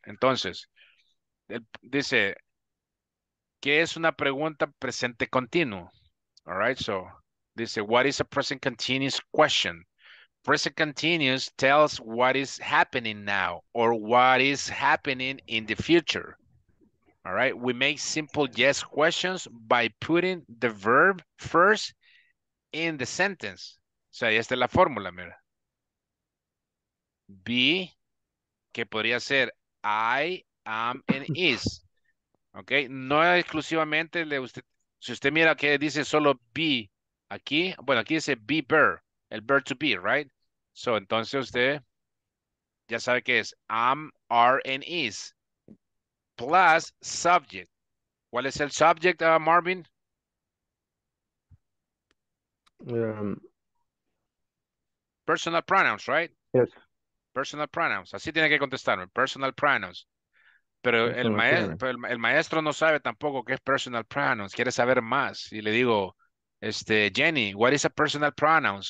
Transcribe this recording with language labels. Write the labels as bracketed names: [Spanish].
[Spanish] Entonces, dice, ¿qué es una pregunta presente continuo? [English] All right, so, dice, what is a present continuous question? Present continuous tells what is happening now or what is happening in the future. All right, we make simple yes questions by putting the verb first in the sentence. [Spanish] O sea, esta es la fórmula, mira. Be, que podría ser I am and is. Ok, no exclusivamente de usted. Si usted mira que dice solo be aquí, bueno, aquí dice be bear, el bear to be, right? So, entonces usted ya sabe que es am, are, and is. Plus subject. ¿Cuál es el subject, Marvin? [English] Personal pronouns, right? Yes. Personal pronouns. Así tiene que contestarme. Personal pronouns. [Spanish] Pero el maestro no sabe tampoco qué es personal pronouns. Quiere saber más. Y le digo, Jenny, what is a personal pronouns?